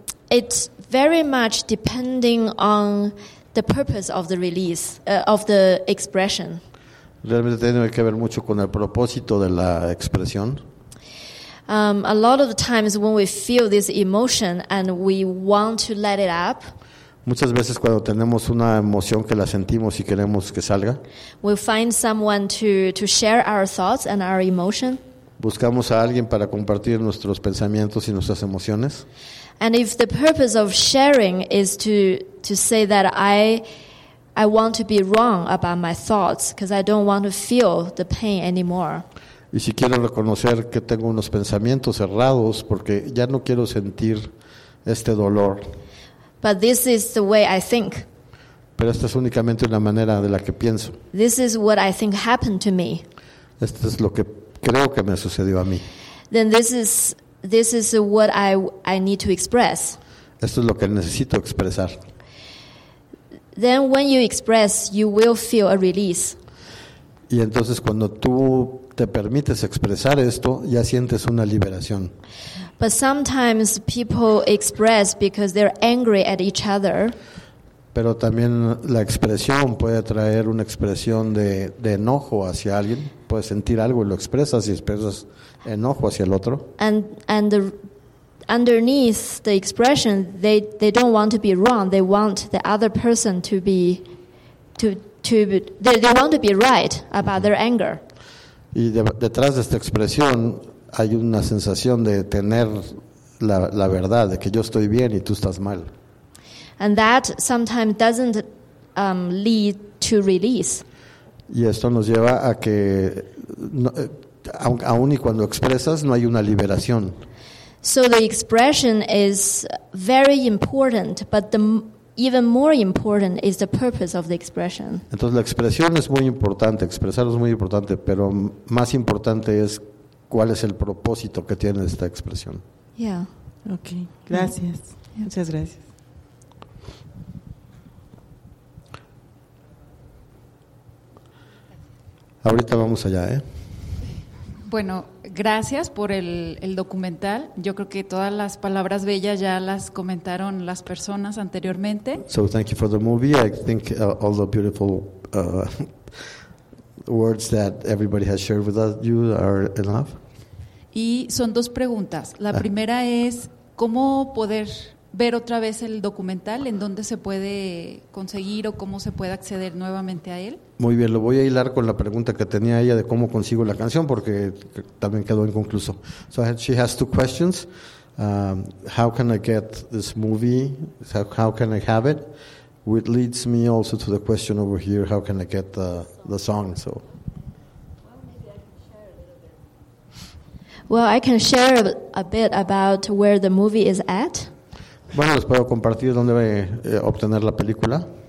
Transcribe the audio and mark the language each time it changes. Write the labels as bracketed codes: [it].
[en] It's very much depending on the purpose of the release, of the expression. [es] Realmente tiene que ver mucho con el propósito de la expresión. [en] A lot of the times when we feel this emotion and we want to let it up, [es] muchas veces cuando tenemos una emoción que la sentimos y queremos que salga, [en] we'll find someone to share our thoughts and our emotion. [es] Buscamos a alguien para compartir nuestros pensamientos y nuestras emociones. [en] And if the purpose of sharing is to say that I want to be wrong about my thoughts because I don't want to feel the pain anymore. [es] Y si quiero reconocer que tengo unos pensamientos errados porque ya no quiero sentir este dolor. [en] But this is the way I think. [es] Pero esta es únicamente una manera de la que pienso. [en] This is what I think happened to me. [es] Esto es lo que creo que me sucedió a mí. [en] Then this is what I need to express. [es] Esto es lo que necesito expresar. [en] Then when you express, you will feel a release. [es] Y entonces cuando tú te permites expresar esto, ya sientes una liberación. [en] But sometimes people express because they're angry at each other. [es] Pero también la expresión puede traer una expresión de enojo hacia alguien. Puedes sentir algo y lo expresas y expresas enojo hacia el otro. [en] And underneath the expression, they don't want to be wrong. They want the other person to want to be right about mm-hmm. their anger. [es] Y detrás de esta expresión hay una sensación de tener la verdad, de que yo estoy bien y tú estás mal. [en] And that sometimes doesn't lead to release. [es] Y esto nos lleva a que, aun y cuando expresas, no hay una liberación. [en] So the expression is very important, but the even more important is the purpose of the expression. [es] Entonces la expresión es muy importante, expresar es muy importante, pero más importante es cuál es el propósito que tiene esta expresión. [en] Yeah. [es] Okay. Gracias. Yeah. Muchas gracias. Ahorita vamos allá, ¿eh? Bueno, gracias por el documental. Yo creo que todas las palabras bellas ya las comentaron las personas anteriormente. [en] So thank you for the movie. I think all the beautiful words that everybody has shared with us, you are enough. [es] Y son dos preguntas. La primera es, ¿cómo poder ver otra vez el documental? ¿En dónde se puede conseguir o cómo se puede acceder nuevamente a él? Muy bien, lo voy a hilar con la pregunta que tenía ella de cómo consigo la canción, porque también quedó inconcluso. [en] So she has two questions. How can I get this movie? How can I have it? Which leads me also to the question over here, how can I get the song? So. Well, I can share a bit about where the movie is at. [es] Bueno, les puedo compartir dónde voy a obtener la película.